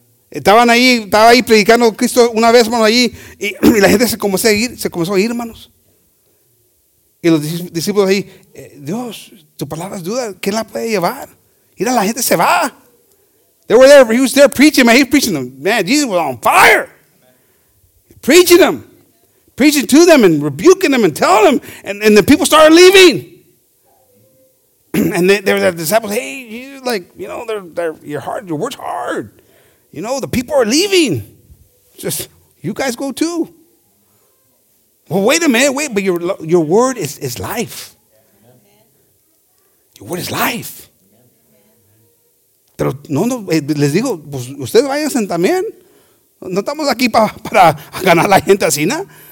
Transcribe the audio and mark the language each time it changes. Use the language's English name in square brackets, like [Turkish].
[Spanish] Estaba ahí predicando a Cristo una vez, hermano, allí. Y la gente se comenzó a ir, hermanos. Y los discípulos ahí, Dios, tu palabra es dura. ¿Quién la puede llevar? Mira, la gente se va. [English] They were there. He was there preaching, man. He was preaching them. Man, Jesus was on fire. Preaching them. Preaching to them and rebuking them and telling them. And the people started leaving. And they were the disciples. Hey, you like, you know, they're your heart, your work's hard. You know, the people are leaving. Just you guys go too. Well, wait a minute, wait, but your word is life. Your word is life. [Spanish] Pero no, no, les digo, pues ustedes váyanse también. No estamos aquí para ganar la gente así, ¿no?